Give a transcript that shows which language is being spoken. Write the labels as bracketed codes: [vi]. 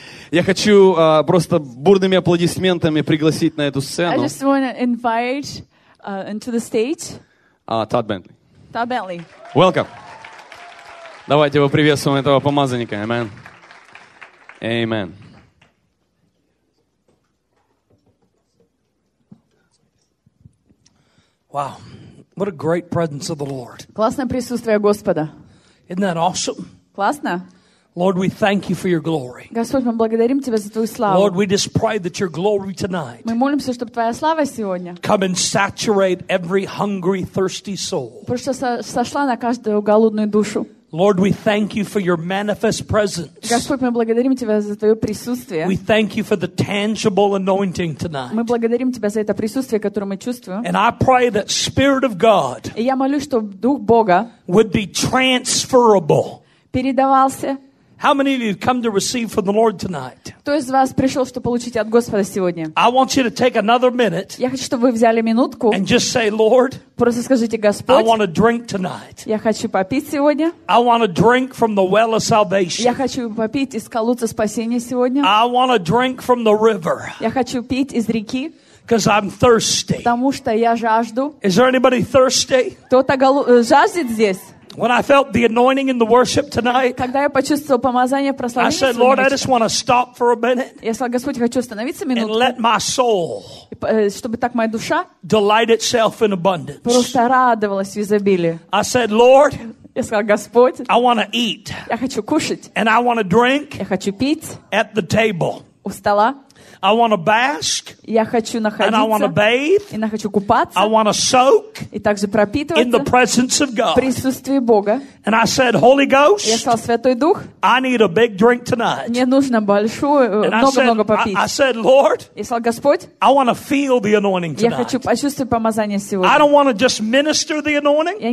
[ru] Я хочу просто бурными аплодисментами пригласить на эту сцену. [en] I just want to invite into the stage. Todd Bentley. Todd Bentley. Welcome. [ru] Давайте поприветствуем этого помазанника. [en] Amen. Amen. Wow. What a great presence of the Lord. [ru] Классное присутствие Господа. [en] Isn't that awesome? [ru] Классно. [en] Lord, we thank you for your glory. [ru] Господь, мы благодарим тебя за твою славу. [en] Lord, we just pray that your glory tonight. [ru] Мы молимся, чтобы твоя слава сегодня. [en] Come and saturate every hungry, thirsty soul. [ru] Просто сошла на каждую голодную душу. [en] Lord, we thank you for your manifest presence. [ru] Господь, мы благодарим тебя за твое присутствие. [en] We thank you for the tangible anointing tonight. [ru] Мы благодарим тебя за это присутствие, которое мы чувствуем. [en] And I pray that Spirit of God. [ru] И я молюсь, чтобы Дух Бога [en] would be transferable. [ru] Передавался. [en] How many of you come to receive from the Lord tonight? [ru] Кто из вас пришел, чтобы получить от Господа сегодня? [en] I want you to take another minute. [ru] Я хочу, чтобы вы взяли минутку. [en] And just say, Lord. [ru] Просто скажите, Господь. [en] I want to drink tonight. [ru] Я хочу попить сегодня. [en] I want to drink from the well of salvation. [ru] Я хочу попить из колодца спасения сегодня. [en] I want to drink from the river. [ru] Я хочу пить из реки. [en] Because I'm thirsty. [ru] Потому что я жажду. [en] Is there anybody thirsty? [ru] Кто-то жаждет здесь? [en] When I felt the anointing in the worship tonight, [ru] когда я почувствовал помазание прославления, [en] I said, Lord, I just want to stop for a minute. [ru] Я сказал, Господь, хочу остановиться минутку. [en] And let my soul, [ru] чтобы так моя душа, [en] delight itself in abundance. [ru] Просто радовалась в изобилии. [en] I said, Lord, [ru] я сказал, Господь, [en] I want to eat. [ru] Я хочу кушать. [en] And I want to drink. [ru] Я хочу пить. [en] At the table. [ru] У стола. [en] I want to bask. [ru] Я хочу находиться. [en] And I want to bathe. [ru] И хочу купаться. [en] I want to soak. [ru] И также пропитываться. [en] In the presence of God. [ru] В присутствии Бога. [en] And I said, Holy Ghost. [ru] Я сказал, Святой Дух. [en] I need a big drink tonight. [ru] Мне нужно большую, много-много попить. [en] I said, Lord. [ru] Я сказал, Господь. [en] I want to feel the anointing tonight. [ru] Я хочу почувствовать помазание сегодня. [en] I don't want to just minister the anointing.